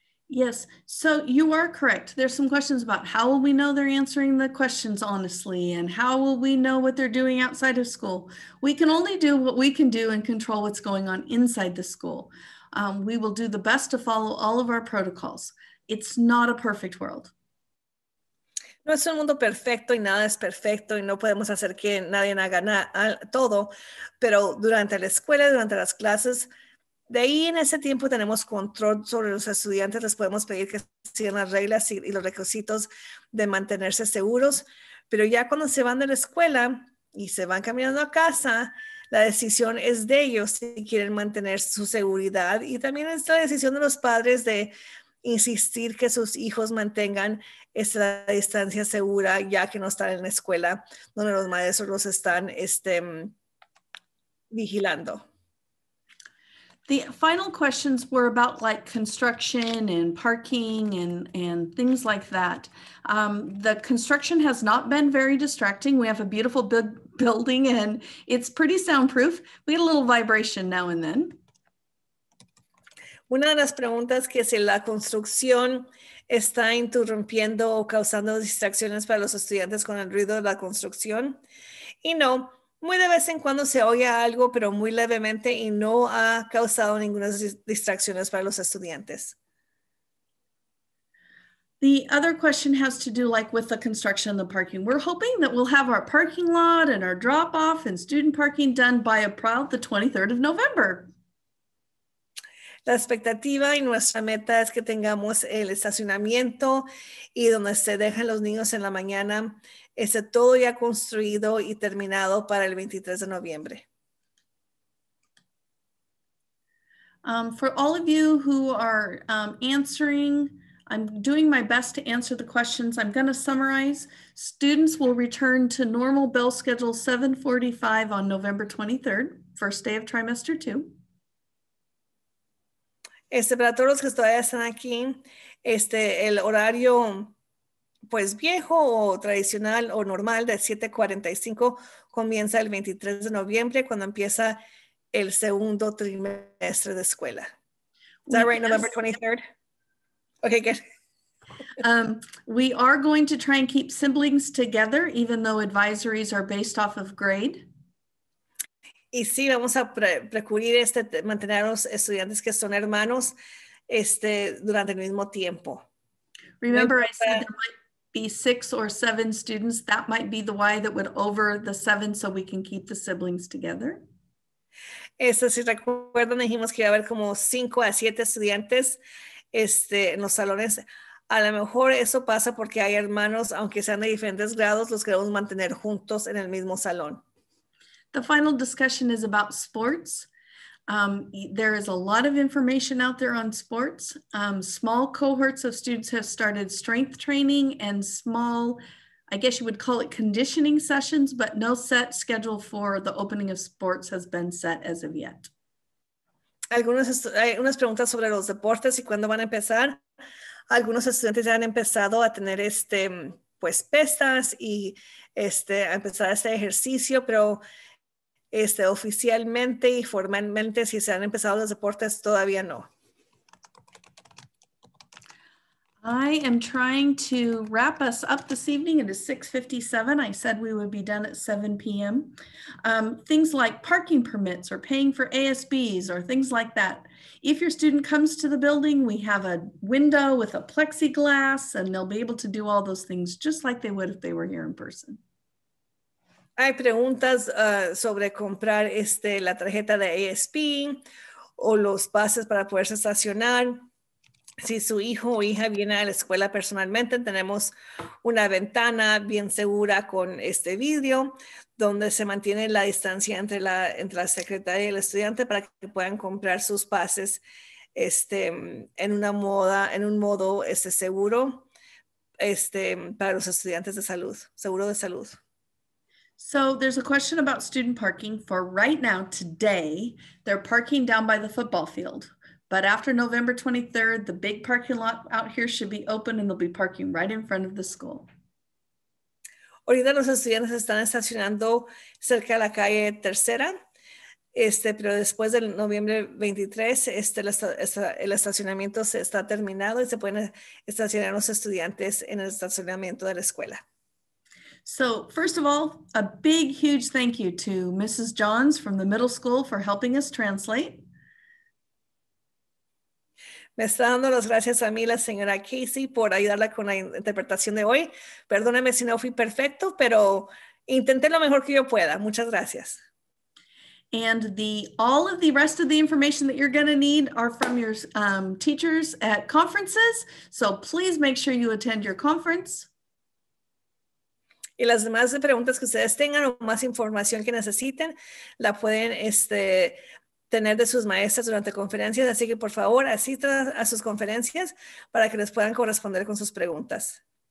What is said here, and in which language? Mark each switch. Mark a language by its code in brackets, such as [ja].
[en] Yes, so you are correct. There's some questions about how will we know they're answering the questions honestly, and how will we know what they're doing outside of school? We can only do what we can do and control what's going on inside the school. We will do the best to follow all of our protocols. It's not a perfect world. [es] No es un mundo perfecto y nada es perfecto y no podemos hacer que nadie haga todo, pero durante la escuela, durante las clases, de ahí en ese tiempo tenemos control sobre los estudiantes, les podemos pedir que sigan las reglas y los requisitos de mantenerse seguros, pero ya cuando se van de la escuela y se van caminando a casa, la decisión es de ellos si quieren mantener su seguridad y también es la decisión de los padres de insistir que sus hijos mantengan esa distancia segura ya que no están en la escuela donde los maestros los están vigilando. [en] The final questions were about like construction and parking and things like that. The construction has not been very distracting. We have a beautiful big building and it's pretty soundproof. We get a little vibration now and then. [es] Una de las preguntas que si la construcción está interrumpiendo o causando distracciones para los estudiantes con el ruido de la construcción. Y no, muy de vez en cuando se oye algo, pero muy levemente y no ha causado ninguna distracciones para los estudiantes. [en] The other question has to do like with the construction and the parking. We're hoping that we'll have our parking lot and our drop off and student parking done by about the 23rd of November. [es] La expectativa y nuestra meta es que tengamos el estacionamiento y donde se dejan los niños en la mañana, esté todo ya construido y terminado para el 23 de noviembre. [en] For all of you who are answering, I'm doing my best to answer the questions. I'm going to summarize. Students will return to normal bell schedule 7:45 on November 23rd, first day of trimester two. [es] Para todos los que todavía están aquí, el horario pues viejo o tradicional o normal de 7:45 comienza el 23 de noviembre cuando empieza el segundo trimestre de escuela. [en] Is that right, November 23rd? Okay, good. We are going to try and keep siblings together even though advisories are based off of grade. [es] Y sí, vamos a procurar mantener a los estudiantes que son hermanos durante el mismo tiempo. [en] Remember, I said there might be 6 or 7 students. That might be the why that would over the 7 so we can keep the siblings together. [es] Si recuerdan, dijimos que iba a haber como 5 a 7 estudiantes en los salones. A lo mejor eso pasa porque hay hermanos, aunque sean de diferentes grados, los queremos mantener juntos en el mismo salón. [en] The final discussion is about sports. There is a lot of information out there on sports. Small cohorts of students have started strength training and small, I guess you would call it conditioning sessions, but no set schedule for the opening of sports has been set as of yet. [es] Algunas preguntas sobre los deportes y cuándo van a empezar. Algunos estudiantes ya han empezado a tener pues pesas y a empezar este ejercicio, pero oficialmente y formalmente si se han empezado los deportes todavía no. [en] I am trying to wrap us up this evening. It is 6:57. I said we would be done at 7 p.m. Things like parking permits or paying for ASBs or things like that. If your student comes to the building, we have a window with a plexiglass and they'll be able to do all those things just like they would if they were here in person. [es] Hay preguntas sobre comprar la tarjeta de ASP o los pases para poderse estacionar. Si su hijo o hija viene a la escuela personalmente, tenemos una ventana bien segura con vidrio donde se mantiene la distancia entre la secretaria y el estudiante para que puedan comprar sus pases en un modo seguro para los estudiantes de salud, seguro de salud. [en] So there's a question about student parking for right now, today, they're parking down by the football field. But after November 23rd, the big parking lot out here should be open and they'll be parking right in front of the school. [es] Ahorita los estudiantes están estacionando cerca de la calle tercera. Pero después del noviembre 23, el estacionamiento se está terminado y se pueden estacionar los estudiantes en el estacionamiento de la escuela. [en] So first of all, a big, huge thank you to Mrs. Johns from the middle school for helping us translate. [es] Me está dando las gracias a mí, la señora Casey, por ayudarla con la interpretación de hoy. Perdóname si no fui perfecto, pero intenté lo mejor que yo pueda. Muchas gracias. [en] And all of the rest of the information that you're going to need are from your teachers at conferences. So please make sure you attend your conference. [es] Y las demás preguntas que ustedes tengan o más información que necesiten, la pueden tener de sus maestras durante conferencias. Así que por favor, asistan a sus conferencias para que les puedan corresponder con sus preguntas.